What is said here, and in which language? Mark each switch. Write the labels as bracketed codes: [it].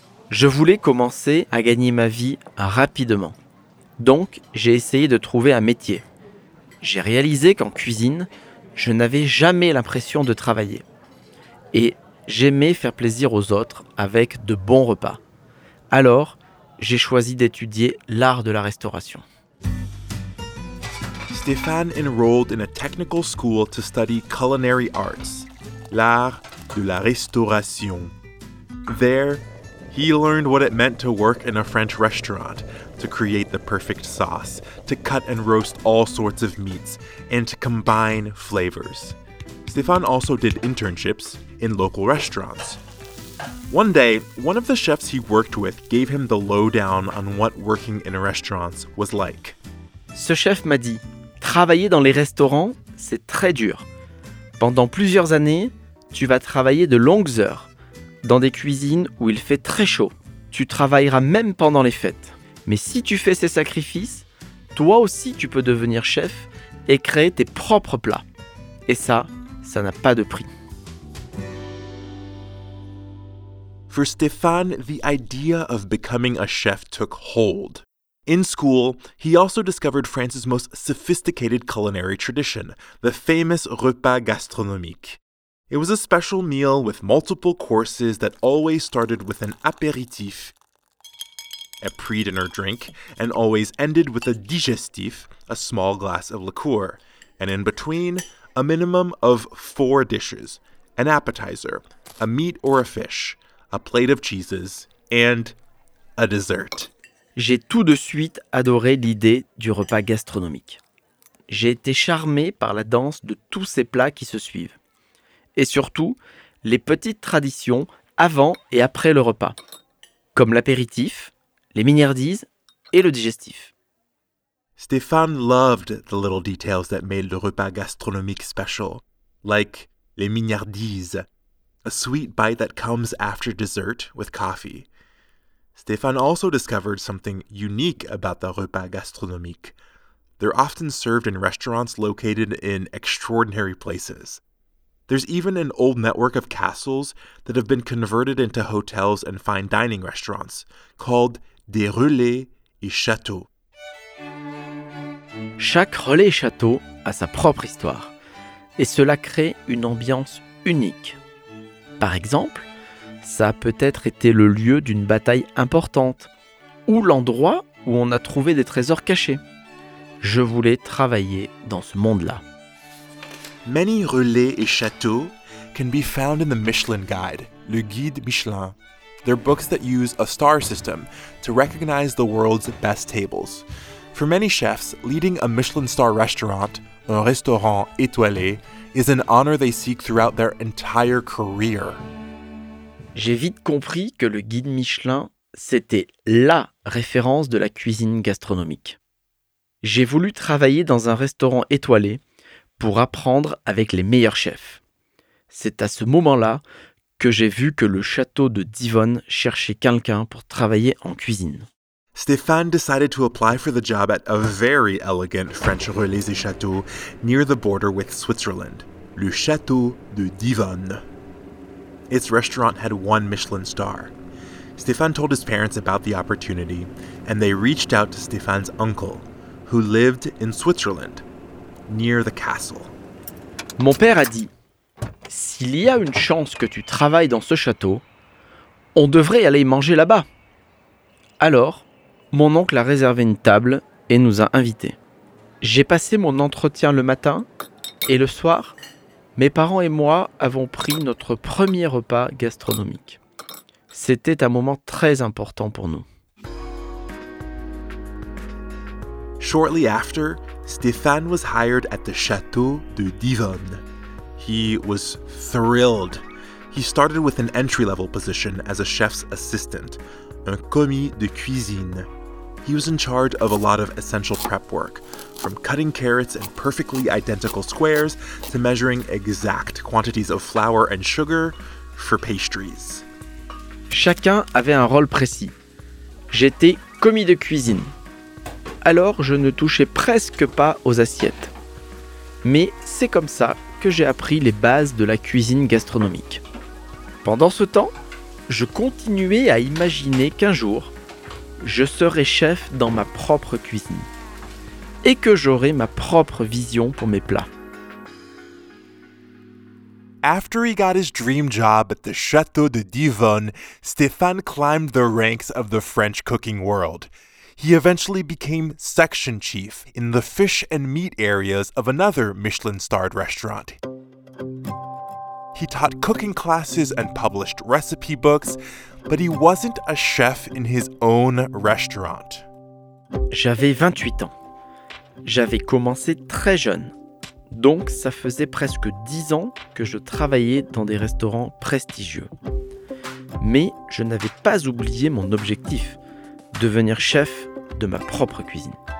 [fr] Je voulais commencer à gagner ma vie rapidement. Donc, j'ai essayé de trouver un métier. J'ai réalisé qu'en cuisine, je n'avais jamais l'impression de travailler. Et j'aimais faire plaisir aux autres avec de bons repas. Alors, j'ai choisi d'étudier l'art de la restauration. [en] Stéphane enrolled in a technical school to study culinary arts, [fr] l'art de la restauration. [en] There, he learned what it meant to work in a French restaurant, to create the perfect sauce, to cut and roast all sorts of meats, and to combine flavors. Stéphane also did internships in local restaurants. One day, one of the chefs he worked with gave him the lowdown on what working in restaurants was like. [fr] Ce chef m'a dit, travailler dans les restaurants, c'est très dur. Pendant plusieurs années, tu vas travailler de longues heures, dans des cuisines où il fait très chaud. Tu travailleras même pendant les fêtes. Mais si tu fais ces sacrifices, toi aussi tu peux devenir chef et créer tes propres plats. Et ça, ça n'a pas de prix. [en] For Stéphane, the idea of becoming a chef took hold. In school, he also discovered France's most sophisticated culinary tradition, the famous repas gastronomique. It was a special meal with multiple courses that always started with an apéritif, a pre-dinner drink, and always ended with a digestif, a small glass of liqueur, and in between, a minimum of 4 dishes, an appetizer, a meat or a fish, a plate of cheeses, and a dessert. [fr] J'ai tout de suite adoré l'idée du repas gastronomique. J'ai été charmé par la danse de tous ces plats qui se suivent. Et surtout, les petites traditions avant et après le repas, comme l'apéritif, les miniardises et le digestif. [en] Stéphane loved the little details that made le repas gastronomique special, like les miniardises, a sweet bite that comes after dessert with coffee. Stéphane also discovered something unique about the repas gastronomique. They're often served in restaurants located in extraordinary places. There's even an old network of castles that have been converted into hotels and fine dining restaurants, called des relais et châteaux. [fr] Chaque relais et château a sa propre histoire, et cela crée une ambiance unique. Par exemple, Ça a peut-être été le lieu d'une bataille importante ou l'endroit où on a trouvé des trésors cachés. Je voulais travailler dans ce monde-là. [en] Many relais et châteaux can be found in the Michelin Guide, [fr] le guide Michelin. [en] They're books that use a star system to recognize the world's best tables. For many chefs, leading a Michelin star restaurant, [fr] un restaurant étoilé, [en] is an honor they seek throughout their entire career. [fr] J'ai vite compris que le guide Michelin, c'était LA référence de la cuisine gastronomique. J'ai voulu travailler dans un restaurant étoilé pour apprendre avec les meilleurs chefs. C'est à ce moment-là que j'ai vu que le château de Divonne cherchait quelqu'un pour travailler en cuisine. [en] Stéphane decided to apply for the job at a very elegant French relais et château near the border with Switzerland, le château de Divonne. Its restaurant had one Michelin star. Stéphane told his parents about the opportunity, and they reached out to Stéphane's uncle, who lived in Switzerland, near the castle. [fr] Mon père a dit, s'il y a une chance que tu travailles dans ce château, on devrait aller manger là-bas. Alors, mon oncle a réservé une table et nous a invités. J'ai passé mon entretien le matin et le soir, mes parents et moi avons pris notre premier repas gastronomique. C'était un moment très important pour nous. [en] Shortly after, Stéphane was hired at the Château de Divonne. He was thrilled. He started with an entry-level position as a chef's assistant, [fr] un commis de cuisine. [en] He was in charge of a lot of essential prep work, from cutting carrots in perfectly identical squares to measuring exact quantities of flour and sugar for pastries. [fr] Chacun avait un rôle précis. J'étais commis de cuisine. Alors, je ne touchais presque pas aux assiettes. Mais c'est comme ça que j'ai appris les bases de la cuisine gastronomique. Pendant ce temps, je continuais à imaginer qu'un jour, je serais chef dans ma propre cuisine et que j'aurais ma propre vision pour mes plats. [en] After he got his dream job at the Château de Divonne, Stéphane climbed the ranks of the French cooking world. He eventually became section chief in the fish and meat areas of another Michelin-starred restaurant. He taught cooking classes and published recipe books, but he wasn't a chef in his own restaurant. [fr] J'avais 28 ans. J'avais commencé très jeune. Donc ça faisait presque 10 ans que je travaillais dans des restaurants prestigieux. Mais je n'avais pas oublié mon objectif, devenir chef de ma propre cuisine.